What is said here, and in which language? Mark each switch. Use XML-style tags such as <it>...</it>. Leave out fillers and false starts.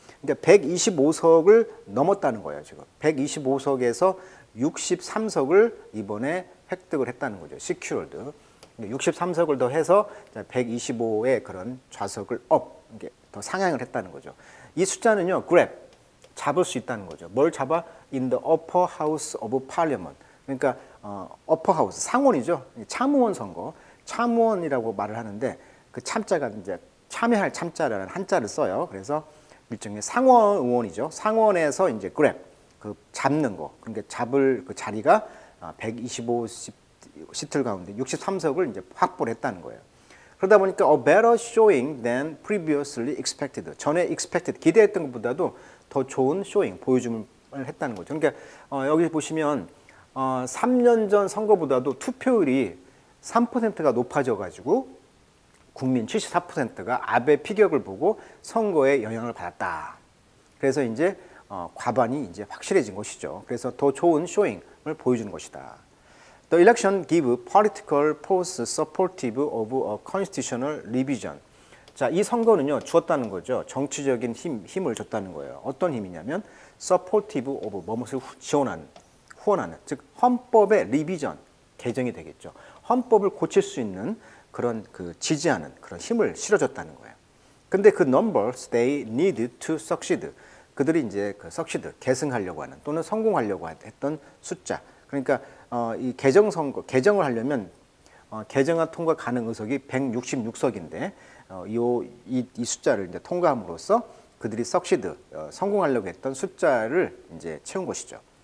<ko>그러니까 125석을 넘었다는 거예요. 지금 125석에서 63석을 이번에 획득을 했다는 거죠.</ko> <en>Secured.</en> <ko>63석을 더 해서 125의 그런 좌석을 up, 이게 더 상향을 했다는 거죠. 이 숫자는요, grab, 잡을 수 있다는 거죠. 뭘 잡아?</ko> <en>In the upper house of parliament.</en> <ko>그러니까 upper house, 상원이죠. 참의원 선거. 참의원이라고 말을 하는데 그 참자가 이제 참여할 참자라는 한자를 써요. 그래서 일종의 상원 의원이죠. 상원에서 이제 그랩, 그 잡는 거. 그러니까 잡을 그 자리가 125시트 가운데 63석을 이제 확보를 했다는 거예요. 그러다 보니까</ko> <en>a better showing than previously expected.</en> <ko>전에 expected, 기대했던 것보다도 더 좋은 showing, 보여줌을 했다는 거죠. 그러니까 여기 보시면 3년 전 선거보다도 투표율이 3%가 높아져가지고 국민 74%가 아베 피격을 보고 선거에 영향을 받았다. 그래서 이제 과반이 이제 확실해진 것이죠. 그래서 더 좋은 쇼잉을 보여주는 것이다.</ko> <en>The election give political force supportive of a constitutional revision.</en> <ko>자, 이 선거는요, 주었다는 거죠. 정치적인 힘을 줬다는 거예요. 어떤 힘이냐면</ko> <en>supportive of</en> <ko>무엇을 지원하는, 후원하는, 즉 헌법의 리비전, 개정이 되겠죠. 헌법을 고칠 수 있는 그런 그 지지하는 그런 힘을 실어줬다는 거예요. 근데 그</ko> <en>numbers they need to succeed.</en> <ko>그들이 이제 그 succeed, 계승하려고 하는 또는 성공하려고 했던 숫자. 그러니까 이 개정 선거, 개정을 하려면 개정안 통과 가능 의석이 166석인데 이 숫자를 이제 통과함으로써 그들이 succeed, 성공하려고 했던 숫자를 이제 채운 것이죠.</ko>